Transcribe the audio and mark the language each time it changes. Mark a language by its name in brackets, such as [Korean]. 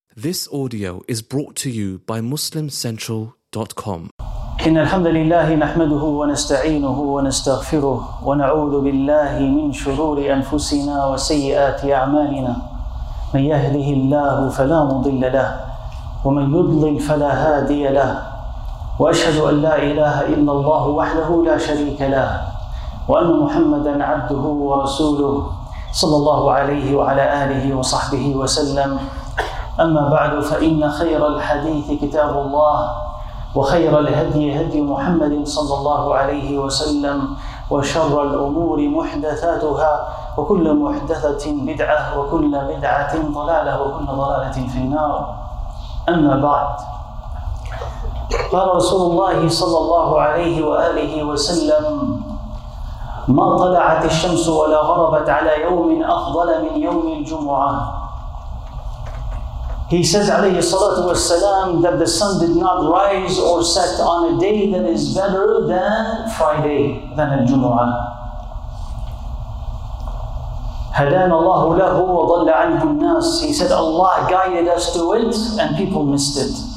[English] This audio is brought to you by MuslimCentral.com. [Arabic] إن الحمد لله نحمده ونستعينه ونستغفره ونعوذ بالله من شرور أنفسنا وسيئات أعمالنا. من يهده الله فلا مضل له ومن يضلل فلا هادي له. وأشهد أن لا إله إلا الله وحده لا شريك له وأن محمدا عبده ورسوله صلى الله عليه وعلى آله وصحبه وسلم. أما بعد، فإن خير الحديث كتاب الله وخير الهدي هدي محمد صلى الله عليه وسلم وشر الأمور محدثاتها وكل محدثة بدعة وكل بدعة ضلالة وكل ضلالة في النار. أما بعد، قال رسول الله صلى الله عليه وآله وسلم: ما طلعت الشمس ولا غربت على يوم أفضل من يوم الجمعة. [English] He says, alayhi salatu wasalam, that the sun did not rise or set on a day that is better than Friday, than al-Jumu'ah. [Arabic] Hadana Allahu lahu wa dhalla anhu an-nas. [English] He said, Allah guided us to it and people missed it.